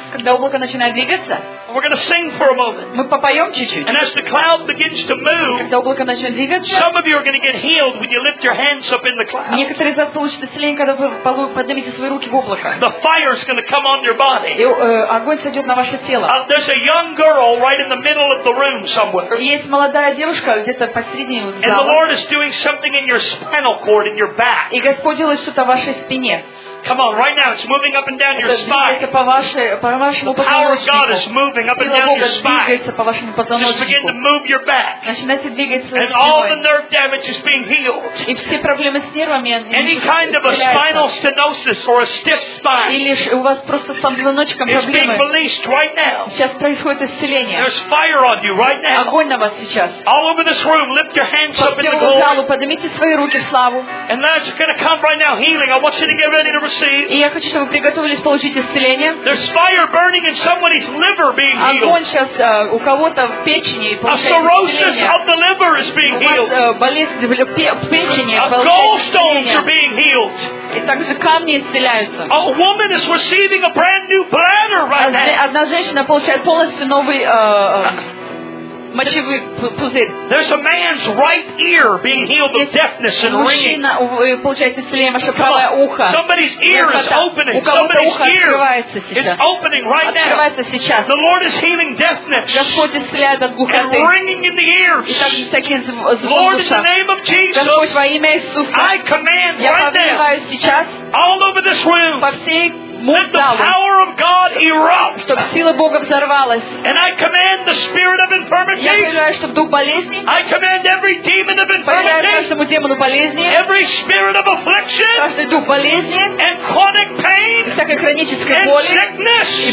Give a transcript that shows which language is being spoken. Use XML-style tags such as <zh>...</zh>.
<ru>Когда облако начинает двигаться.</ru> <en>We're going to sing for a moment.</en> <ru>Мы попоем чуть-чуть.</ru> <en>And as the cloud begins to move,</en> <ru>когда облако начнет двигаться,</ru> <en>some of you are going to get healed when you lift your hands up in the cloud.</en> <ru>Некоторые из вас получат исцеление, когда вы поднимете свои руки в облако.</ru> <en>The fire is going to come on your body.</en> <ru>И огонь сойдет на ваше тело.</ru> <en>There's a young girl right in the middle of the room somewhere.</en> <ru>Есть молодая девушка где-то посередине зала.</ru> <en>And the Lord is doing something in your spinal cord, in your back.</en> <ru>И Господь делает что-то в вашей спине.</ru> <en>Come on, right now, it's moving up and down your spine. The power of God is moving up and down your spine. Just begin to move your back. And all the nerve damage is being healed. Any kind of a spinal stenosis or a stiff spine is being released right now. There's fire on you right now. All over this room, lift your hands up in the glory. And that's going to come right now, healing. I want you to get ready to receive.</en> <ru>И я хочу, чтобы вы приготовились получить исцеление.</ru> <en>There's fire burning in somebody's liver being healed.</en> <ru>Огонь сейчас у кого-то в печени получает исцеление.</ru> <en>A cirrhosis of the liver is being healed.</en> <ru>Болезнь в печени.</ru> <en>Gallstones are being healed.</en> <ru>И также камни исцеляются.</ru> <en>A woman is receiving a brand new bladder right now.</en> <ru>Одна женщина получает полностью новый</ru> <en>There's a man's right ear being healed of deafness and ringing. Come on. Somebody's ear is opening. Somebody's ear is opening right now. The Lord is healing deafness and ringing in the ears. Lord, in the name of Jesus, I command right now all over this room. Let the power of God erupt.</en> <ru>Чтобы сила Бога взорвалась.</ru> <en>And I command the spirit of infirmity.</en> <ru>Я повелеваю, чтобы дух болезни.</ru> <en>I command every demon of infirmity.</en> <ru>Повелеваю каждому демону болезни.</ru> <en>Every spirit of affliction.</en> <ru>Каждый дух болезни.</ru> <en>And chronic pain.</en> <ru>Всякой хронической боли.</ru> <en>And sickness.</en>